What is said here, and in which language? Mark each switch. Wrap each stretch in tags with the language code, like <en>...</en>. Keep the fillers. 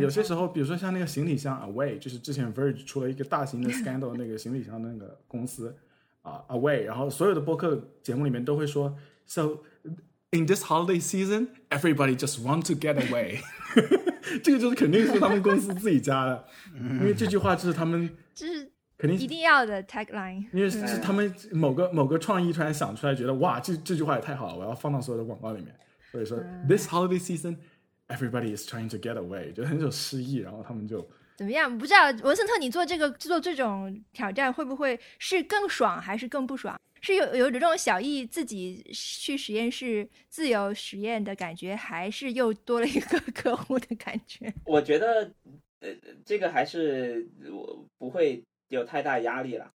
<zh>有些时候，比如说像那个行李箱 Away，就是之前 v e r g e 出了一个大型的 scandal，那个行李箱那个公司啊 、uh, Away，然后所有的播客节目里面都会说，</zh> <en>So in this holiday season，everybody just want to get away。</en> <zh>这个就是肯定是他们公司自己家的， 因为这句话就是他们就是肯定一定要的 tagline。因为是他们某个某个创意突然想出来，出来觉得哇，这这句话也太好了，我要放到所有的广告里面。所以说</zh> <en>this holiday season。 Everybody is trying to get away，</en> <zh>就很有诗意。然后他们就怎么样？不知道文森特，你做这个做这种挑战，会不会是更爽还是更不爽？是有有这种小易自己去实验室自由实验的感觉，还是又多了一个客户的感觉？我觉得，呃，这个还是我不会有太大压力了。</zh>